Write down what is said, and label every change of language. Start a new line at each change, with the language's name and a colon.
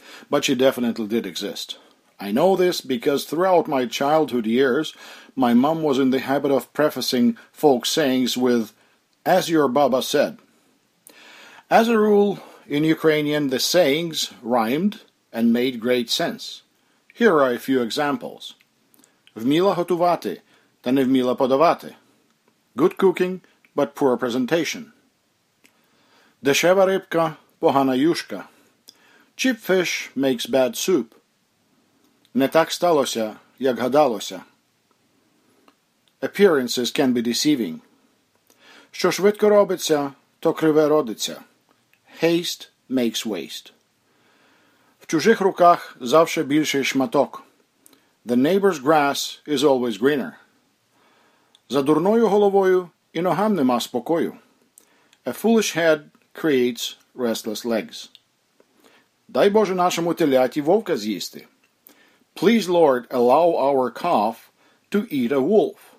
English: But she definitely did exist. I know this because throughout my childhood years, my mom was in the habit of prefacing folk sayings with, "As your Baba said." As a rule, in Ukrainian, the sayings rhymed and made great sense. Here are a few examples.
Ukrainian: Вміла готувати, та не вміла подавати.
English: Good cooking, but poor presentation.
Ukrainian: Дешева рибка, погана юшка.
English: Cheap fish makes bad soup.
Ukrainian: Не так сталося, як гадалося.
English: Appearances can be deceiving.
Ukrainian: Що швидко робиться, то криве родиться.
English: Haste makes waste.
Ukrainian: В чужих руках завше більший шматок.
English: The neighbor's grass is always greener.
Ukrainian: За дурною головою і ногам нема спокою.
English: A foolish head creates restless legs.
Ukrainian: Дай Боже нашому теляті вовка з'їсти.
English: Please, Lord, allow our calf to eat a wolf.